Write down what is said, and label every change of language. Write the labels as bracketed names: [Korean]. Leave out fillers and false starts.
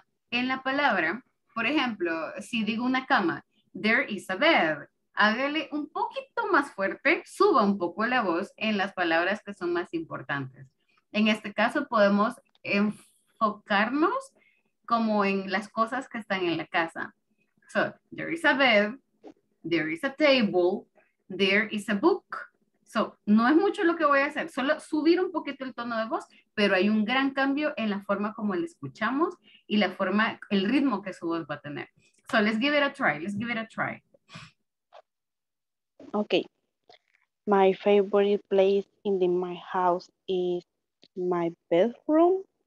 [Spanish] en la palabra, por ejemplo, si digo una cama, [English] there is a bed, [Spanish] hágale un poquito más fuerte, suba un poco la voz en las palabras que son más importantes. En este caso podemos enfocarnos como en las cosas que están en la casa. [English] So, there is a bed, there is a table, there is a book. [Spanish] So, no es mucho lo que voy a hacer, solo subir un poquito el tono de voz, pero hay un gran cambio en la forma como le escuchamos y la forma, el ritmo que su voz va a tener. [English] So, let's give it a try, let's give it a try. Okay. My favorite place in my house is my bedroom.